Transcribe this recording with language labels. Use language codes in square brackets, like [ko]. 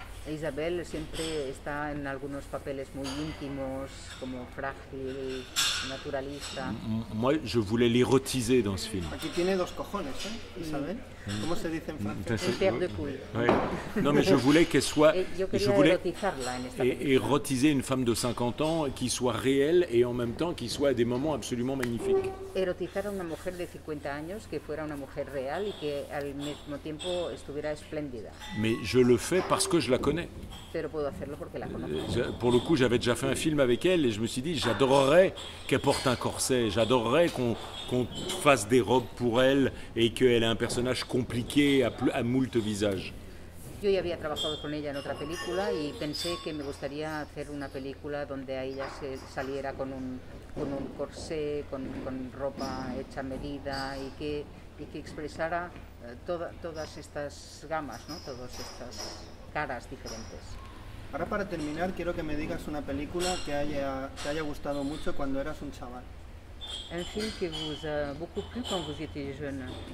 [es] Isabelle siempre está en algunos papeles muy íntimos, como frágil, naturalista. [fr] Moi, je voulais l'érotiser dans ce film. [es] Aquí tiene dos cojones, Isabelle. [fr] Comment se dit en français? Un père de couille. Oui. Non, mais je voulais qu'elle soit... Je voulais érotiserla [es] en esta película. [fr] Érotiser une femme de 50 ans qui soit réelle et en même temps qui soit à des moments absolument magnifiques. [es] Érotiser a una mujer de 50 años que fuera una mujer real y que al mismo tiempo estuviera espléndida. [fr] Mais je le fais parce que je la connais. [es] Pero puedo hacerlo porque la conozco. [fr] Pour le coup, j'avais déjà fait un film avec elle et je me suis dit: j'adorerais qu'elle porte un corset, j'adorerais qu'on fasse des robes pour elle et qu'elle ait un personnage compliqué à moult visages. [es] Yo ya había trabajado con ella en otra película y pensé que me gustaría hacer una película donde a ella se saliera con un corset, con ropa hecha a medida y que expresara todas estas gamas, ¿no? Todas estas caras diferentes. Ahora, para terminar, quiero que me digas una película que te haya gustado mucho cuando eras un chaval. [fr] Un film que vous a beaucoup plu quand vous étiez jeune.